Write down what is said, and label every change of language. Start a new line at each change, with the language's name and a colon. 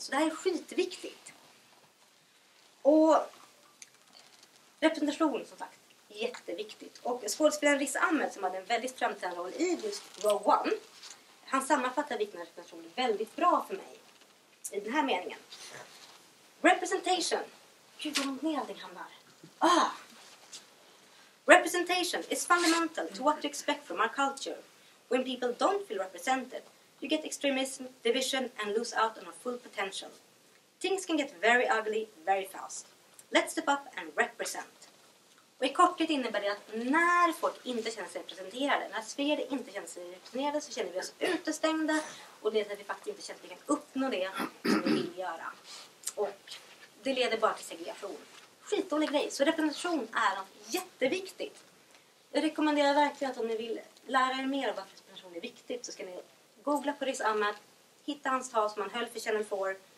Swedish: Så det här är skitviktigt. Och representation som sagt. Jätteviktigt. Och skådespelaren Riz Ahmed som hade en väldigt framträdande roll i just Rogue One. Han sammanfattar vikten av representation väldigt bra för mig. I den här meningen. Representation. Gud vad långt ner allting hamnar. Ah.
English: Representation is fundamental to what to expect from our culture. When people don't feel represented, you get extremism, division and lose out on our full potential. Things can get very ugly very fast. Let's step up and represent.
Swedish: Och i korthet innebär det att när folk inte känner sig representerade, när sfär inte känner sig representerade så känner vi oss utestängda och det är att vi faktiskt inte känner att vi kan uppnå det som vi vill göra. Och det leder bara till segregation. Skitdålig grej. Så representation är något jätteviktigt. Jag rekommenderar verkligen att om ni vill lära er mer om varför representation är viktigt så ska ni googla på Riz Ahmed, hitta hans tal som han höll för Channel 4.